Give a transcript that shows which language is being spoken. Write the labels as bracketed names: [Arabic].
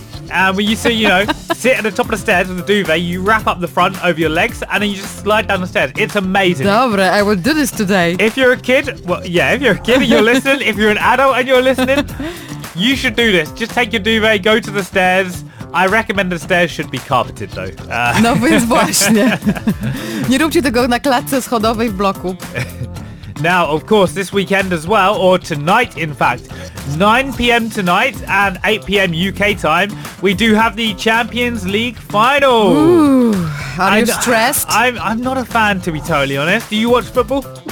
[English] And we used to, you know, sit at the top of the stairs with the duvet, you wrap up the front over your legs, and then you just slide down the stairs. It's amazing. [Polish] Dobre, [English] I will do this today. If you're a kid, if you're a kid and you're listening, if you're an adult and you're listening, you should do this. Just take your duvet, go to the stairs. I recommend the stairs should be carpeted, though. [Polish] No więc właśnie. Nie róbcie tego na klatce schodowej w bloku. [English] Now, of course, this weekend as well, or tonight, in fact, 9 p.m. tonight and 8 p.m. UK time, we do have the Champions League final. Ooh, are you stressed? I'm not a fan, to be totally honest. Do you watch football?